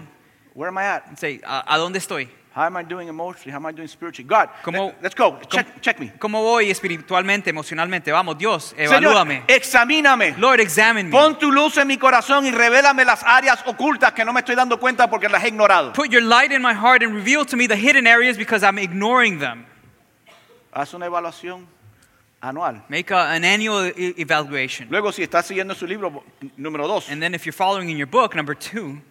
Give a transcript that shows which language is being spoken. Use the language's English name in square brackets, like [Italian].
[English] See, where am I at? [Spanish] Say, ¿a dónde estoy? [English] How am I doing emotionally? How am I doing spiritually? God, let's go. Check me. [Spanish] ¿Cómo voy espiritualmente, emocionalmente? Vamos, Dios, evalúame. Señor, examíname. [English] Lord, examine me. [Spanish] Pon tu luz en mi corazón y revélame las áreas ocultas que no me estoy dando cuenta porque las he ignorado. [English] Put your light in my heart and reveal to me the hidden areas because I'm ignoring them. [Spanish] Haz una evaluación anual. [English] Make an annual evaluation. [Spanish] Luego, si estás siguiendo su libro, número dos. [English] And then if you're following in your book, number two.